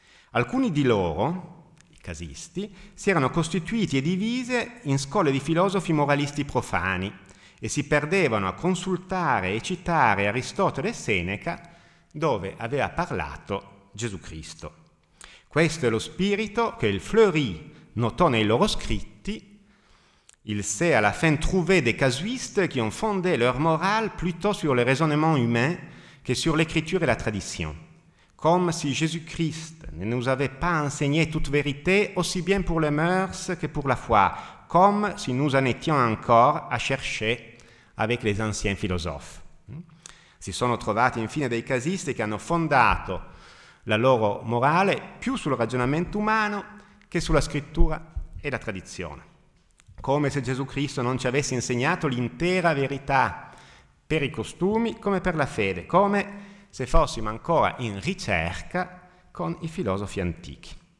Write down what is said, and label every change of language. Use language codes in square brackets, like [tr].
[it] Alcuni di loro, casisti, si erano costituiti e divise in scuole di filosofi moralisti profani e si perdevano a consultare e citare Aristotele e Seneca, dove aveva parlato Gesù Cristo. Questo è lo spirito che il Fleury notò nei loro scritti: [fr] il sé à la fin trouvé des casuistes qui ont fondé leur morale plutôt sur le raisonnement humain que sur l'écriture et la tradition. Comme si Jésus-Christ ne nous avait pas enseigné toute vérité, aussi bien pour les mœurs que pour la foi, comme si nous en étions encore à chercher avec les anciens philosophes. [it] si sono trovati infine dei casisti che hanno fondato la loro morale più sul ragionamento umano che sulla scrittura e la tradizione. Come se Gesù Cristo non ci avesse insegnato l'intera verità per i costumi come per la fede, come se fossimo ancora in ricerca con i filosofi antichi.